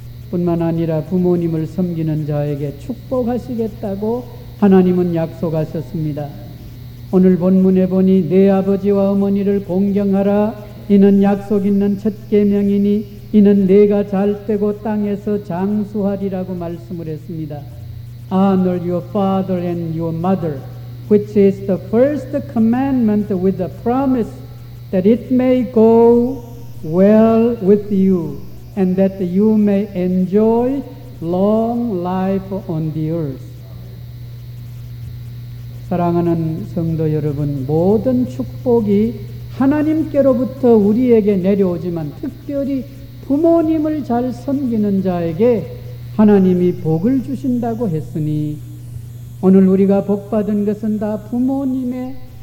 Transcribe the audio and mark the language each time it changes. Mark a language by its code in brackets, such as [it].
[ko] 뿐만 아니라 부모님을 섬기는 자에게 축복하시겠다고 하나님은 약속하셨습니다. 오늘 본문에 보니 내 아버지와 어머니를 공경하라, 이는 약속 있는 첫 계명이니 이는 내가 잘 되고 땅에서 장수하리라고 말씀을 했습니다. [en] Honor your father and your mother, which is the first commandment with a promise that it may go well with you and that you may enjoy long life on the earth. [ko] 사랑하는 성도 여러분, 모든 축복이 하나님께로부터 우리에게 내려오지만 특별히 부모님을 잘 섬기는 자에게 하나님이 복을 주신다고 했으니 오늘 우리가 복받은 것은 다 부모님의